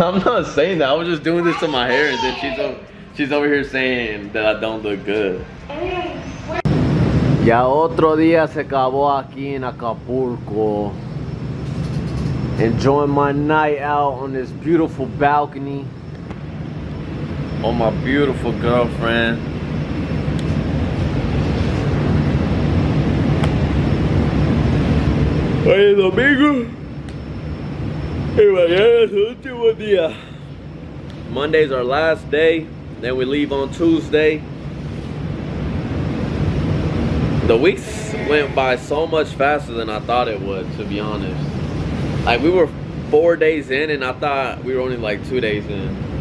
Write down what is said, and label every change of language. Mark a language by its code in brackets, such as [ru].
[en] I'm not saying that. I was just doing this to my hair, and then she's over here saying that I don't look good. [es] Ya otro día se acabó aquí en Acapulco. [en] Enjoying my night out on this beautiful balcony. Oh, my beautiful girlfriend. [es] Hoy es domingo y mañana es el último día. [en] Monday is our last day, then we leave on Tuesday. The weeks went by so much faster than I thought it would, to be honest. Like, we were 4 days in and I thought we were only like 2 days in.